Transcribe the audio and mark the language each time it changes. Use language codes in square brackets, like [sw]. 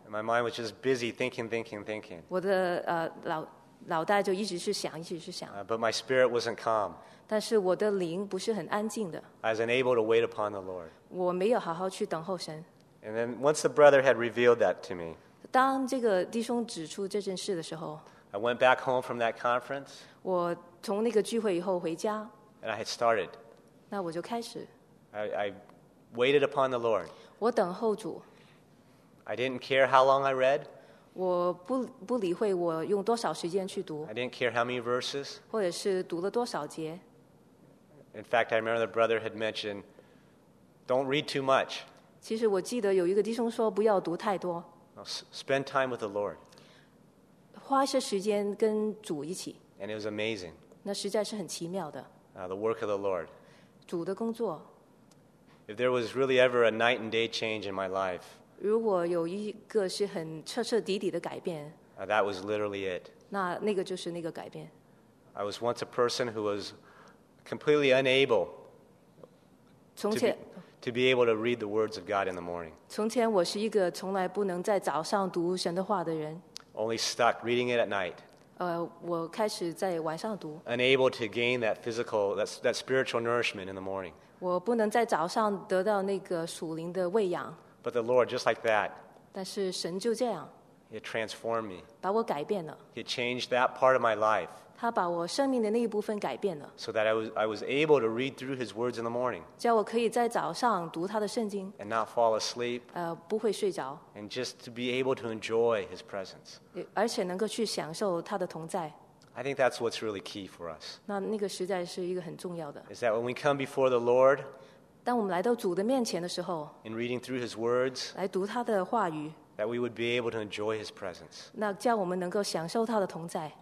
[en] And my mind was just busy thinking, thinking, thinking. [zh] 我的脑袋就一直是想，一直是想。 [en] But my spirit wasn't calm. [zh] 但是我的灵不是很安静的。 [en] I was unable to wait upon the Lord. [zh] 我没有好好去等候神。 [en] And then once the brother had revealed that to me, [zh] 当这个弟兄指出这件事的时候， [en] I went back home from that conference. [zh] 我从那个聚会以后回家。 [en] And I had started. [zh] 那我就开始。 [en] I waited upon the Lord. [zh] 我等候主。 [en] I didn't care how long I read. [zh] 我不理会我用多少时间去读。 [en] I didn't care how many verses. [zh] 或者是读了多少节。 [en] In fact, I remember the brother had mentioned, don't read too much. [zh] 其实我记得有一个弟兄说不要读太多。 [en] Spend time with the Lord. [zh] 花一些时间跟主一起。 [en] And it was amazing. [zh] 那实在是很奇妙的。 [en] The work of the Lord. [zh] 主的工作。 [en] If there was really ever a night and day change in my life. [zh] 如果有一个是很彻彻底底的改变。 [en] That was literally it. [zh] 那个就是那个改变。 [en] I was once a person who was completely unable. [zh] 从前。 [en] To be able to read the words of God in the morning. [zh] 从前我是一个从来不能在早上读神的话的人。 [en] Only stuck reading it at night. [zh] 我开始在晚上读。 [en] Unable to gain that physical, that spiritual nourishment in the morning. [zh] 我不能在早上得到那个属灵的喂养。 [en] But the Lord, just like that. [zh] 但是神就这样。 [en] He transformed me. [zh] 把我改变了。 [en] He changed that part of my life. [zh] 他把我生命的那一部分改变了。 [en] So that I was able to read through his words in the morning. [zh] 叫我可以在早上读他的圣经。 [en] And not fall asleep. [zh] 不会睡着。 [en] And just to be able to enjoy his presence. [zh] 而且能够去享受他的同在。 [en] I think that's what's really key for us. [zh] 那个实在是一个很重要的。 [en] Is that when we come before the Lord, [zh] 当我们来到主的面前的时候， [en] in reading through his words, [zh] 来读他的话语。 [en] That we would be able to enjoy His presence. [zh] 那叫我们能够享受他的同在。